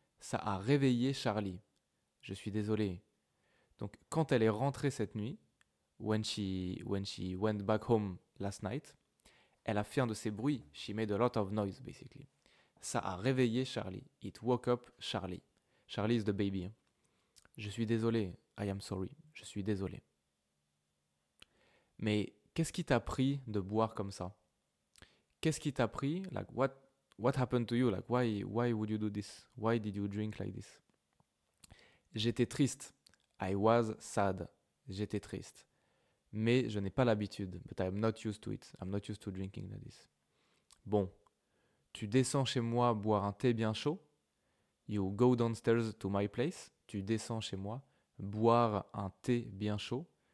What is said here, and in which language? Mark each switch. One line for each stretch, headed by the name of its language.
French: Ça a réveillé Charlie. Je suis désolé. Donc, quand elle est rentrée cette nuit,
English: when she went back home last night,
French: elle a fait un de ces bruits.
English: She made a lot of noise, basically.
French: Ça a réveillé Charlie.
English: It woke up Charlie. Charlie is the baby.
French: Je suis désolé.
English: I am sorry. Je suis désolé.
French: Mais qu'est-ce qui t'a pris de boire comme ça? Qu'est-ce qui t'a pris?
English: Like what happened to you? Like why would you do this? Why did you drink like this?
French: J'étais triste.
English: I was sad.
French: J'étais triste. Mais je n'ai pas l'habitude.
English: But I'm not used to it. I'm not used to drinking like this.
French: Bon. Tu descends chez moi boire un thé bien chaud.
English: You go downstairs to my place.
French: Tu descends chez moi boire un thé bien chaud.